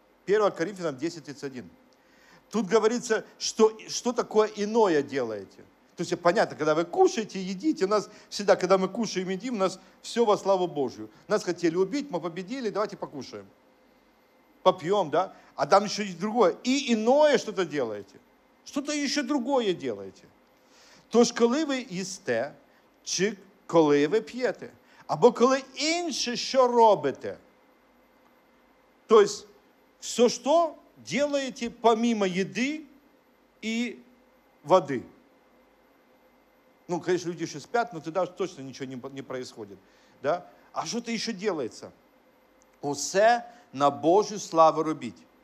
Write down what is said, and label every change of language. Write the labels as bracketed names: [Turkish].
[Russian] 1 Коринфянам 10, 31. Тут говорится, что такое иное делаете. То есть понятно, когда вы кушаете, едите, у нас всегда, когда мы кушаем, едим, у нас все во славу Божию. Нас хотели убить, мы победили, давайте покушаем. Попьем, да? А там еще есть другое. И иное что-то делаете. Что-то еще другое делаете. [Ukrainian] То ж коли ви їсте, чи коли ви п'єте, або коли інше що робите. [Russian] То есть все что делаете помимо еды и воды. Ну, конечно, люди еще спят, но тогда точно ничего не происходит. Да? А что-то еще делается? [Ukrainian] Усе на Божью славу робить.